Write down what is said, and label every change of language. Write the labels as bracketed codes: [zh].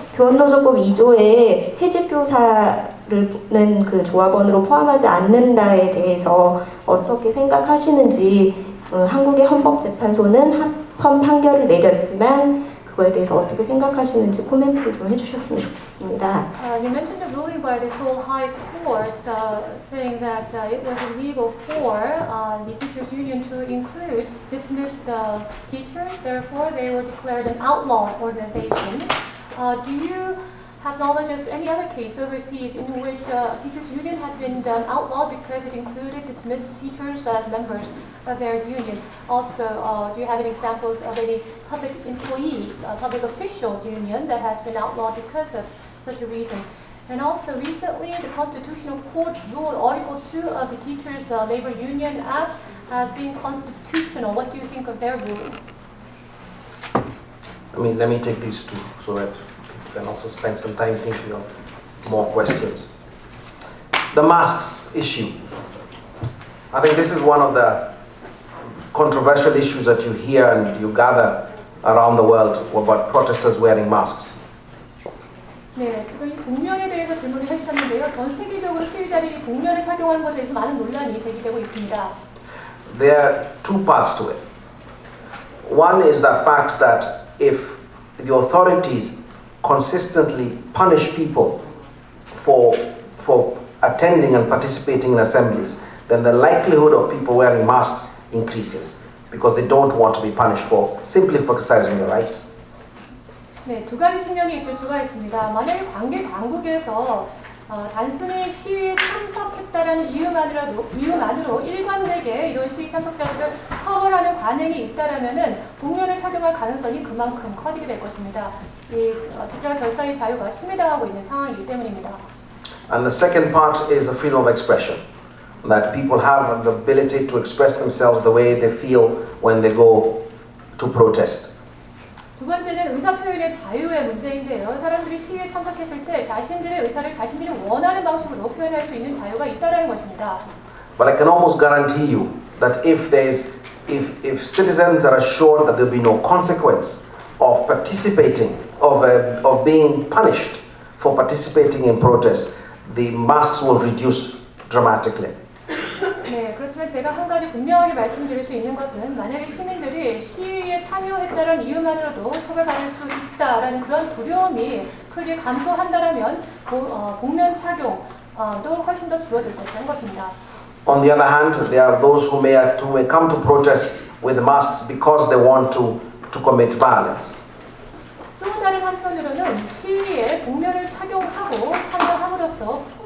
[ko] 교원노조법 2조에 해직교사를는 그 조합원으로 포함하지 않는다에 대해서 어떻게 생각하시는지 한국의 헌법재판소는 합헌 판결을 내렸지만 그거에 대해서 어떻게 생각하시는지 코멘트를 좀 해주셨으면 좋겠습니다. [en] You mentioned the ruling by the Seoul High Court saying that it was illegal for the teachers union to include dismissed teachers. Therefore, they were declared an outlaw organization. Do you have knowledge of any other case overseas in which teachers union had been done outlawed because it included dismissed teachers as members of their union? Also, do you have any examples of any public employees, public officials union that has been outlawed because of such a reason? And also, recently, the Constitutional Court ruled Article 2 of the Teachers Labor Union Act as being constitutional. What do you think of their ruling? Let me take these two so that we can also spend some time thinking of more questions. The masks issue. I think this is one of the controversial issues that you hear and you gather around the world about protesters wearing masks. [ko] 네, 지금 이 복면에 대해서 질문을 하셨는데요. 전 세계적으로 시위자들이 복면을 착용하는 것에 대해서 많은 논란이 제기되고 있습니다. [en] There are two parts to it. One is the fact that if the authorities consistently punish people for attending and participating in assemblies, then the likelihood of people wearing masks increases because they don't want to be punished for simply for exercising their rights. [ko] 네, 두 가지 측면이 있을 수가 있습니다. 만약에 관계 당국에서 단순히 시위 참석했다라는 이유만으로 일관되게 이런 시위 참석자들을 처벌하는 관행이 있다라면은 동료를 착용할 가능성이 그만큼 커지게 될 것입니다. 이 직접 결사의 자유가 침해당하고 있는 상황이기 때문입니다. [en] And the second part is the freedom of expression. That people have the ability to express themselves the way they feel when they go to protest. [ko] 두 번째는 의사 표현의 자유의 문제인데요. 사람들이 시위에 참석했을 때 자신들의 의사를 자신들이 원하는 방식으로 표현할 수 있는 자유가 있다라는 것입니다. [en] But I can almost guarantee you that if citizens are assured that there'll be no consequence of participating of being punished for participating in protests, the masks will reduce dramatically. [ko] 네, 그렇지만 제가 한 가지 분명하게 말씀드릴 수 있는 것은 만약에 시민들이 시위에 참여했다는 이유만으로도 처벌받을 수 있다라는 그런 두려움이 크게 감소한다면 복면 착용도 훨씬 더 줄어들 것이라는 것입니다. [en] On the other hand, there are those who may come to protest with masks because they want to commit violence. [ko] 또 다른 한편으로는 시위에 복면을 착용하고 참여함으로써